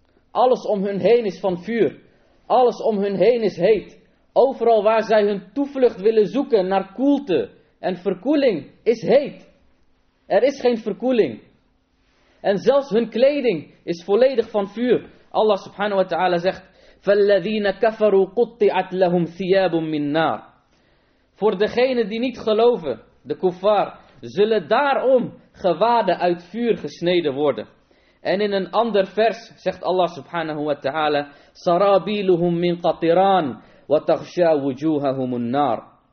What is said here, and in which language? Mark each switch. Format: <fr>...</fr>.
<nl>Alles om hun heen is van vuur. Alles om hun heen is heet. Overal waar zij hun toevlucht willen zoeken naar koelte en verkoeling is heet. Er is geen verkoeling. En zelfs hun kleding is volledig van vuur.</nl> <ar>Allah subhanahu wa ta'ala</ar> <nl>zegt:</nl> <ar>فَالَّذِينَ كَفَرُوا قُطِّعَتْ لَهُمْ ثِيَابٌ مِّن نَّارٍ.</ar> <nl>Voor degenen die niet geloven, de kuffar, zullen daarom gewaden uit vuur gesneden worden. En in een ander vers zegt</nl> <ar>Allah subhanahu wa ta'ala: سَرَابِيلُهُمْ مِّن قَطِرَانٍ وَتَغْشَى وُجُوهَهُمُ النَّارِ.</ar>